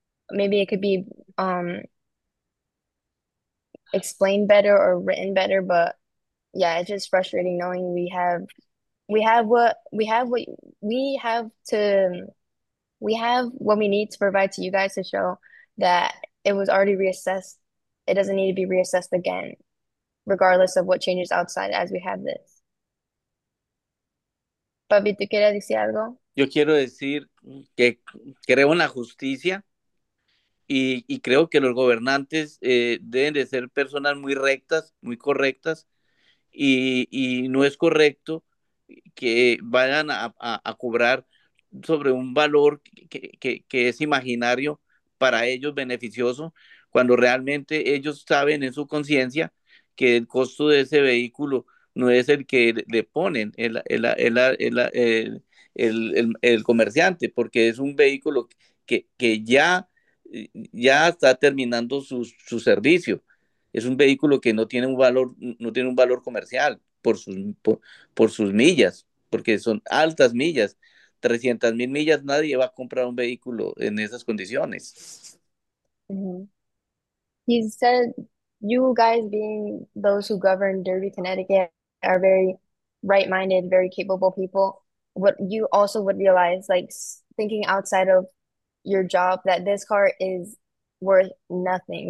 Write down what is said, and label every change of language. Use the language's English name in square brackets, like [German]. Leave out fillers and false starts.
[English] Maybe it could be explained better or written better, but yeah, it's just frustrating knowing we have what we need to provide to you guys to show that it was already reassessed. It doesn't need to be reassessed again, regardless of what changes outside as we have this. [Spanish] Papi, ¿tú quieres decir algo? Yo quiero decir que creo en la justicia y creo que los gobernantes deben de ser personas muy rectas, muy correctas, y no es correcto que vayan a cobrar sobre un valor que es imaginario para ellos beneficioso, cuando realmente ellos saben en su conciencia que el costo de ese vehículo no es el que le ponen el comerciante, porque es un vehículo que ya está terminando su servicio. Es un vehículo que no tiene un valor, no tiene un valor comercial por sus millas, porque son altas millas, 300.000 millas, nadie va a comprar un vehículo en esas condiciones. [English] He said, "You guys, being those who govern Derby, Connecticut, are very right-minded, very capable people. What you also would realize, like thinking outside of your job, that this car is worth nothing.